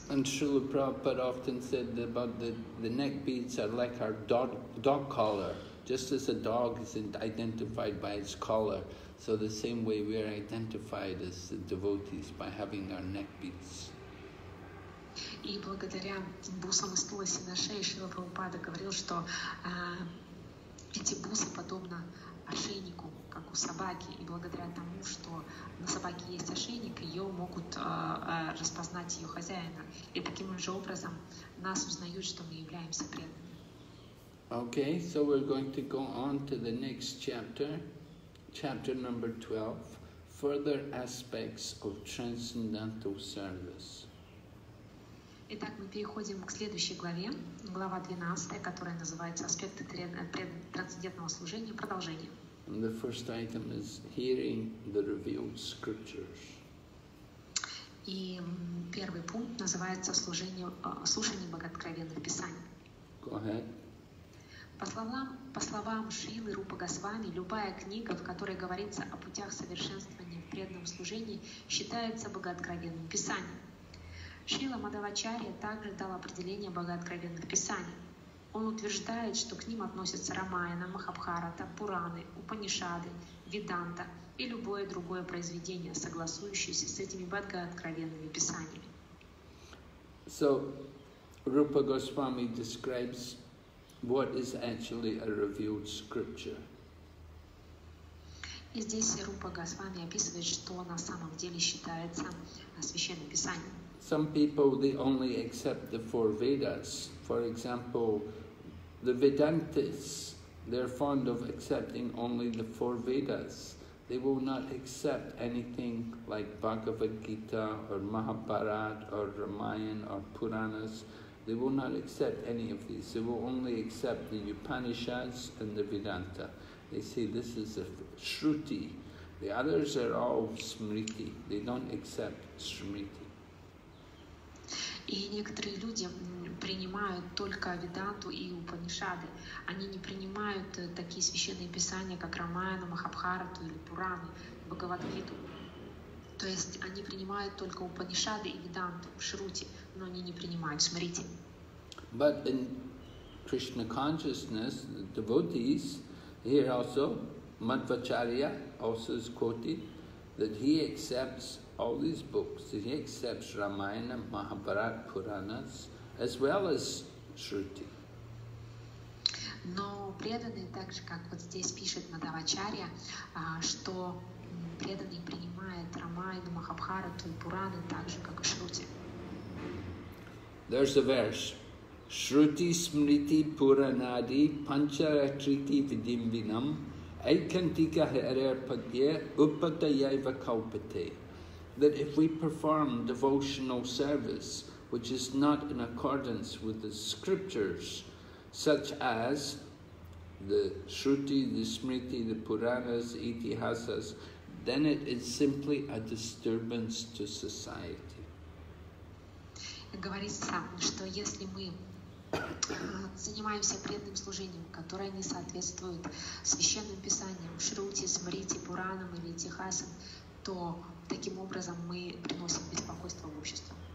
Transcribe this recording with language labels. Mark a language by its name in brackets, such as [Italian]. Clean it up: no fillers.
[English] And Srila Prabhupada often said that about the neck beads are like our dog collar. Just as a dog is identified by its collar, so the same way we are identified as the devotees by having our neck beads. [Russian] И благодаря бусам из туласи на шее Шрила Прабхупада говорил, что эти бусы подобны ошейнику, как у собаки. И благодаря тому, что на собаке есть ошейник, ее могут распознать ее хозяина. И таким же образом нас узнают, что мы являемся преданными. [English] Okay, so we're going to go on to the next chapter, chapter number 12, further aspects of transcendental service. [Russian] Итак, мы переходим к следующей главе, глава 12, которая называется «Аспекты трансцендентного служения. Продолжение». [English] And the first item is hearing the revealed scriptures. [Russian] И первый пункт называется «Слушание богооткровенных писаний». [English] Go ahead. [Russian] По словам Шрилы Рупа Госвами, любая книга, в которой говорится о путях совершенствования в преданном служении, считается богооткровенным писанием. Шрила Мадхавачарья также дал определение богооткровенных писаний. Он утверждает, что к ним относятся Рамаяна, Махабхарата, Пураны, Упанишады, Веданта и любое другое произведение, согласующееся с этими богооткровенными писаниями. [English] So, Рупа Госвами describes what is actually a revealed scripture. [Russian] И здесь Рупа Госвами описывает, что на самом деле считается священным писанием. [English] Some people, they only accept the four Vedas. For example, the Vedantists, they're fond of accepting only the four Vedas. They will not accept anything like Bhagavad Gita or Mahabharata or Ramayana or Puranas. They will not accept any of these. They will only accept the Upanishads and the Vedanta. They say this is a Shruti. The others are all Smriti. They don't accept Smriti. [Russian] И некоторые люди принимают только Веданту и Упанишады. Они не принимают такие священные писания, как Рамаяна, Махабхарату или Пураны, Бхагавадгиту. То есть они принимают только Упанишады и Веданту, Шрути, но они не принимают Смрити. [English] But in Krishna consciousness, the devotees, here also, Madhvacharya also is quoted, that he accepts all these books. He accepts Ramayana, Mahabharata, Puranas, as well as Shruti. [Russian] Но преданный, так же, как вот здесь пишет Мадхавачарья, что преданный принимает Рамаяну, Махабхарату и Пураны так же, как и Шрути. [English] There's a verse. [Sanskrit] Shruti Smriti Puranadi Pancharatriti Vidimvinam Aikantika Harerpagya Upadayaiva Kalpate. [English] That if we perform devotional service, which is not in accordance with the scriptures, such as the Shruti, the Smriti, the Puranas, the Itihasas, then it is simply a disturbance to society. [Russian] Говорится, что если мы занимаемся преданным служением, которое не соответствует священным писаниям, Шрути, Смрити, Пуранам или Итихасам, то таким образом мы приносим беспокойство в общество.